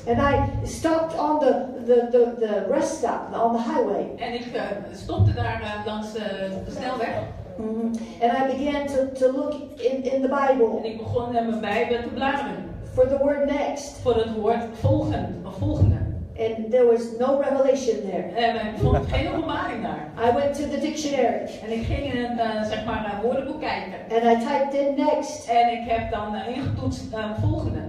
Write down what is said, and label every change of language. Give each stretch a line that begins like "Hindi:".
English: And I stopped on the rest stop on the highway.
Dutch: En ik stopte daar langs de snelweg. Mm-hmm.
English: And I began to look in the Bible.
Dutch: En ik begon in mijn Bijbel te bladeren.
English: For the word next.
Dutch: Voor het woord volgende.
English: And there was no revelation there.
Dutch: Geen openbaring daar.
English: I went to the dictionary.
Dutch: En ik ging in naar woordenboek kijken.
English: And I typed in next.
Dutch: En ik heb dan ingetoetst volgende.